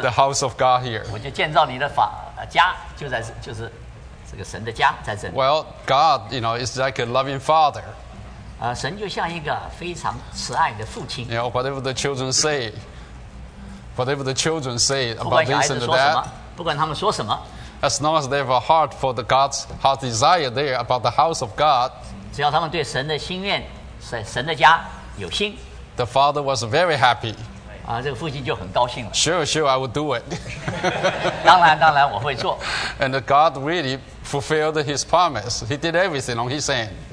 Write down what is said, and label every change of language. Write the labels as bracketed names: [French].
[English] The house of God here [Chinese] 我就建造你的家就在就是这个神的家在这里。 [English] Well, God, you know, is like a loving father. [Chinese] 啊，神就像一个非常慈爱的父亲。 [English] You know, whatever the children say, whatever the children say about this and that, [Chinese] 不管他们说什么。 [English] As long as they have a heart for the God's heart desire there about the house of God, [Chinese] 只要他们对神的心愿，神的家有心。 [English] The father was very happy. [Chinese] 啊，这个父亲就很高兴了。 [English] Sure, sure, I will do it. [Chinese] 当然，当然我会做。 [English] And God really fulfilled His promise. He did everything on His end.